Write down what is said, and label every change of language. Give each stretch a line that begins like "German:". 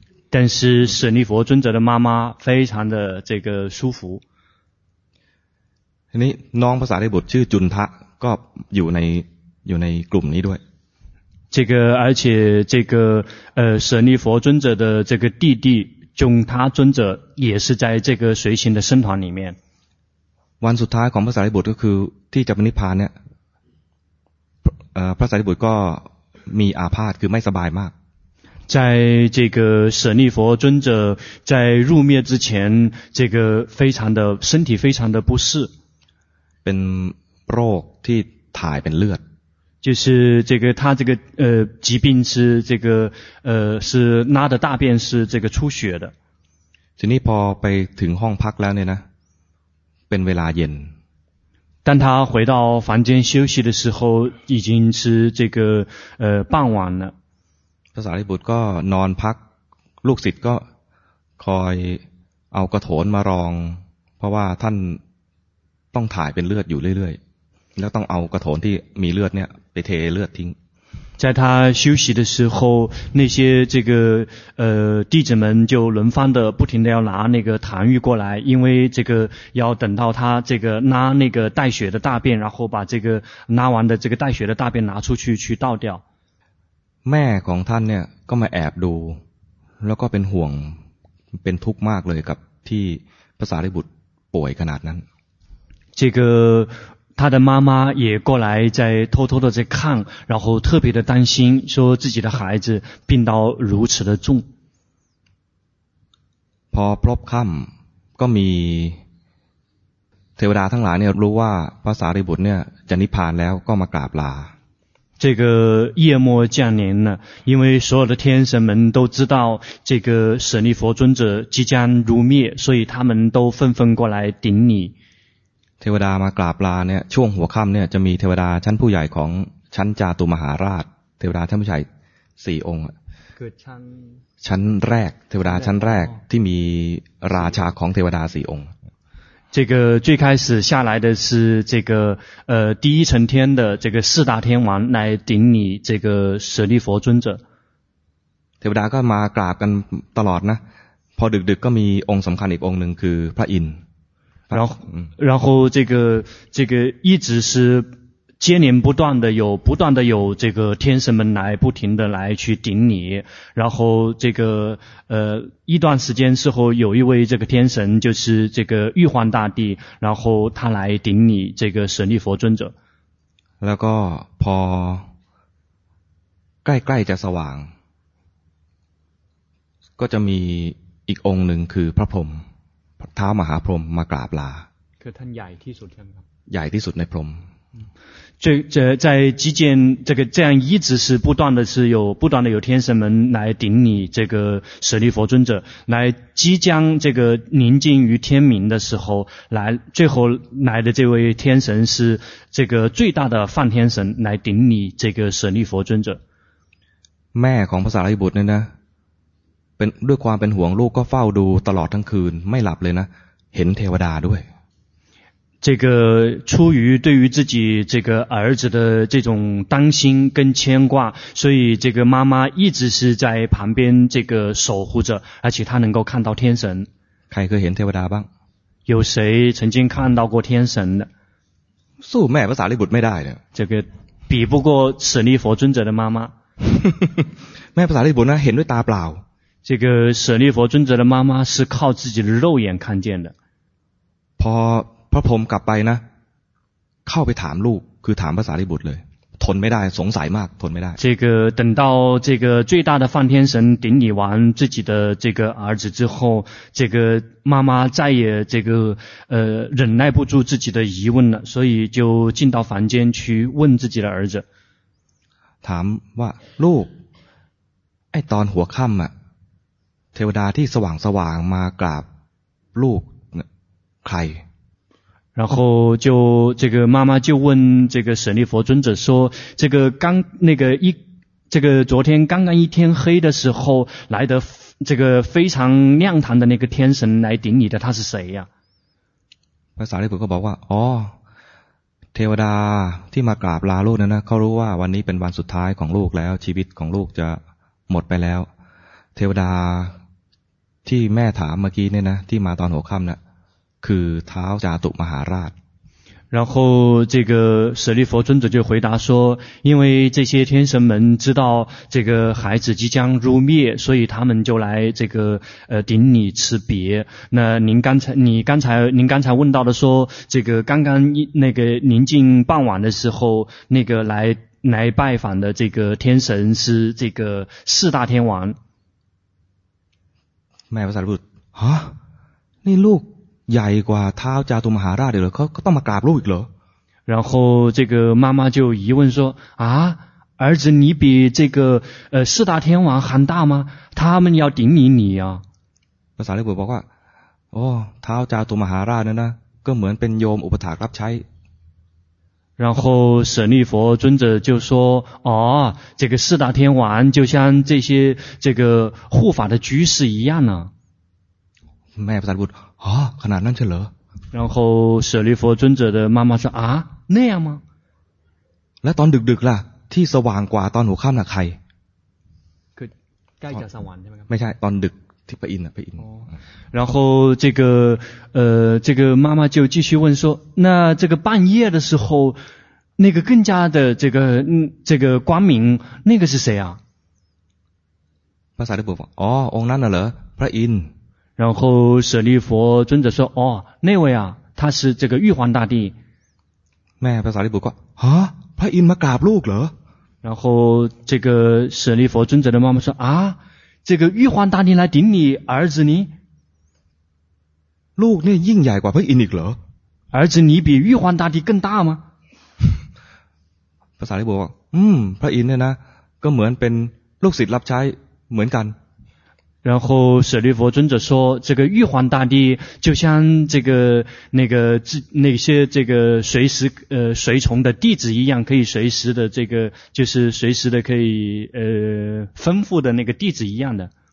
Chinese: 但是舍利弗尊者的妈妈非常的这个舒服。那弄菩萨利弗就尊他，个有那
Thai: กลุ่มนี้ด้วย。
Chinese: 这个而且这个舍利弗尊者的这个弟弟中他尊者也是在这个随行的僧团里面。
Thai: วันสุดท้ายของพระสารีบุตรก็คือที่จะนิพพานเนี่ยพระสารีบุตรก็มีอาพาธคือไม่สบายมาก
Chinese: 在这个舍利弗尊者在入灭之前这个非常的身体非常的不适
Thai: เป็นโรคที่ถ่ายเป็นเลือด
Chinese: 就是这个他这个疾病是这个是拉的大便是这个出血的
Thai: ทีนี้พอไปถึงห้องพักแล้วเนี่ยนะเป็นเวลาเย็น
Chinese: 当他回到房间休息的时候已经是这个傍晚了
Thai: พระสารีบุตรก็นอนพักลูกศิษย์ก็คอยเอากระโถนมารองเพราะว่าท่านต้องถ่ายเป็นเลือดอยู่เรื่อยๆแล้วต้องเอากระโถนที่มีเลือดเนี่ยไปเทเลือดทิ้ง
Chinese: 在他休息的时候那些这个弟子们就轮番的不停的要拿那个痰盂过来因为这个要等到他这个拉那个带血的大便然后把这个拉完的这个带血的大便拿出去去倒掉
Thai: แม่ของท่านเนี่ยก็มาแอบดูแล้วก็เป็นห่วงเป็นทุกข์มากเลยกับที่พระสารีบุตรป่วยขนาดนั้น
Chinese: 这个他的妈妈也过来在偷偷的在看然后特别的担心说自己的孩子病到如此的重
Thai: พอพบค่ำก็มีเทวดาทั้งหลายเนี่ยรู้ว่าพระสารีบุตรเนี่ยจะนิพพานแล้วก็มากราบลา
Chinese: 这个夜幕降临了因为所有的天神们都知道这个舍利弗尊者即将如灭所以他们都纷纷过来顶礼
Thai: เทวดามากราบลาเนี่ยช่วงหัวค่ำเนี่ยจะมีเทวดาชั้นผู้ใหญ่ของชั้นจาตุมหาราชเทวดาชั้นผู้ใหญ่สี่องค์ เกิดชั้น แรกเทวดาชั้นแรกที่มีราชาของเทวดาสี่องค์
Chinese: 这个最开始下来的是这个第一层天的这个四大天王来顶礼这个舍利弗尊者
Thai: เทวดาก็มากราบกันตลอดนะพอดึกๆ ก็มีองค์สำคัญอีกองค์นึงคือพระอินทร์
Chinese: 然后这个一直是接连不断的有这个天神们来不停的来去顶礼然后这个一段时间之后有一位这个天神就是这个玉皇大帝然后他来顶礼这个舍利弗尊者
Thai: แล้วก็พอใกล้ๆจะสว่างก็จะมีอีกองค์หนึ่งคือพระพรหมท้าวมหาพรหมมากราบลา คือท่านใหญ่ที่สุดใช่ไหมครับ ใหญ่ที่สุดในพรหม
Chinese: 这在基建这个这样一直是不断的是有不断的有天神们来顶礼这个舍利弗尊者来即将这个临近于天明的时候来最后来的这位天神是这个最大的梵天神来顶礼这个舍利弗尊者
Thai: แม่ของพระสารีบุตรเนี่ยนะเป็นด้วยความเป็นห่วงลูกก็เฝ้าดูตลอดทั้งคืนไม่หลับเลยนะเห็นเทวดาด้วย
Chinese: 这个出于对于自己这个儿子的这种担心跟牵挂所以这个妈妈一直是在旁边这个守护着而且她能够看到天神
Thai: ใครเคยเห็นเทวดาบ้าง
Chinese: 有谁曾经看到过天神的
Thai: สู้แม่พระสารีบุตรไม่ได้เนี่ย
Chinese: 这个比不过舍利弗尊者的妈妈
Thai: แม่พระสารีบุตรนะเห็นด้วยตาเปล่า
Chinese: 这个舍利弗尊者的妈妈是靠自己的肉眼看见的。
Thai: พอพระพรหมกลับไปนะเข้าไปถามลูกคือถามพระสารีบุตรเลยโท ทนไม่ได้สงสัยมากทนไม่ได้
Chinese: 这个等到这个最大的梵天神顶礼完自己的这个儿子之后这个妈妈再也这个忍耐不住自己的疑问了所以就进到房间去问自己的儿子
Thai: ถามว่าลูกไอ้ตอนหัวค่ำอ่ะเทวดาที่สว่างสว่างมากราบลูกใคร
Chinese: 然后就这个妈妈就问这个舍利弗尊者说这个刚那个一这个昨天刚刚一天黑的时候来的这个非常亮堂的那个天神来顶礼的他是谁呀
Thai: พระสารีบุตรก็บอกว่าอ๋อเทวดาที่มากราบลาลูกนั้นนะเขารู้ว่าวันนี้เป็นวันสุดท้ายของลูกแล้วชีวิตของลูกจะหมดไปแล้วเทวดาที่แม่ถามเมื่อกี้เนี่ยนะที่มาตอนหัวค่ำนะคือเท้าจาตุมหาราช
Chinese: 然后这个舍利弗尊者就回答说因为这些天神们知道这个孩子即将入灭所以他们就来这个顶礼辞别那您刚才问到的说这个刚刚那个临近傍晚的时候那个来拜访的这个天神是这个四大天王
Thai: แม่พระสารีบุตรฮะนี่ลูกใหญ่กว่าเท้าจาตุมหาราชเดี๋ยวเขาต้องมากราบลูกอีกเหรอ
Chinese: 然后这个妈妈就疑问说啊儿子你比这个四大天王还大吗他们要顶礼你啊
Thai: พระสารีบุตรบอกว่าโอ้เท้าจาตุมหาราชเนี่ยนะก็เหมือนเป็นโยมอุปถากรับใช้
Chinese: 然后舍利弗尊者就说哦这个四大天王就像这些这个护法的居士一样呢
Thai: แม่พระสารีบุตรอ๋อขนาดนั้นเฉลย
Chinese: 然后舍利弗尊者的妈妈说啊那样吗
Thai: แล้วตอนดึกๆล่ะที่สว่างกว่าตอนหัวค่ำน่ะใคร คือใกล้จะสว่างใช่ไหมครับ ไม่ใช่ตอนดึกที่ไปอินน่ะไปอิน
Chinese: 然后这个妈妈就继续问说那这个半夜的时候那个更加的这个光明那个是谁啊
Thai: พระสารีบุตรอ๋อองค์นั้นน่ะเหรอพระอินทร์
Chinese: 然后舍利弗尊者说哦那位啊他是这个玉皇大帝。
Thai: แม่พระสารีบุตรก็ฮะพระอินทร์มากราบลูกเหร
Chinese: อ然后这个舍利弗尊者的妈妈说啊这个玉皇大帝来顶你儿子你
Thai: ลูกเนี่ยยิ่งใหญ่กว่าพระอินทร์อีกเหร
Chinese: อ儿子你比玉皇大帝更大吗
Thai: พระสารีบุตรพระอินทร์เนี่ยนะก็เหมือนเป็นลูกศิษย์รับใช้เหมือนกัน
Chinese: 然后舍利弗尊者说这个玉皇大帝就像这个那些这个随从的弟子一样可以随时的这个就是随时的可以吩咐的那个弟子一样的。